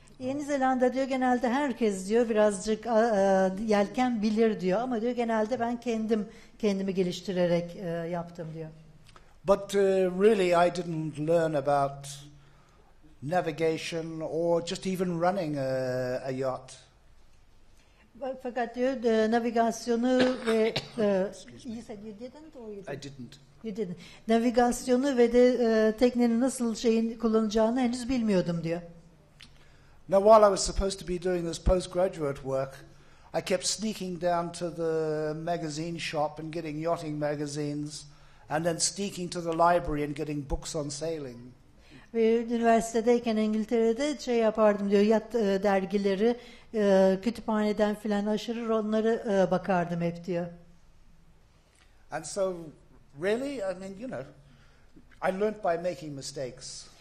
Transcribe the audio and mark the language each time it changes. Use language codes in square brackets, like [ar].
[tr] Yeni Zelanda diyor genelde herkes diyor birazcık yelken bilir diyor ama diyor genelde ben kendimi geliştirerek yaptım diyor. [en] But really I didn't learn about navigation or just even running a yacht. [tr] Fakat diyor navigasyonu ve [en] you said you didn't or you did? I didn't. You didn't. [tr] Navigasyonu ve de teknenin nasıl şeyin kullanacağını henüz bilmiyordum diyor. [en] Now, while I was supposed to be doing this postgraduate work, I kept sneaking down to the magazine shop and getting yachting magazines, and then sneaking to the library and getting books on sailing. [tr] Ve üniversitedeyken İngiltere'de şey yapardım diyor, yat dergileri, kütüphaneden filan aşırır, onları bakardım hep diyor. [en] And so, really, I mean, you know, I learned by making mistakes.